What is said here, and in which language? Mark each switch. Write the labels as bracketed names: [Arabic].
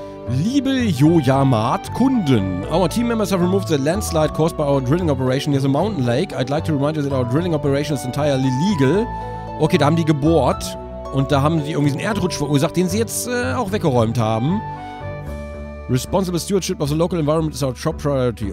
[German] Liebe Yoyamart Kunden, [English] our team members have removed the landslide caused by our drilling operation near the mountain lake. I'd like to remind you that our drilling operation is entirely legal. [German] Okay, da haben die gebohrt und da haben sie irgendwie einen Erdrutsch verursacht, den sie jetzt auch weggeräumt haben. [English] Responsible stewardship of the local environment is our top priority.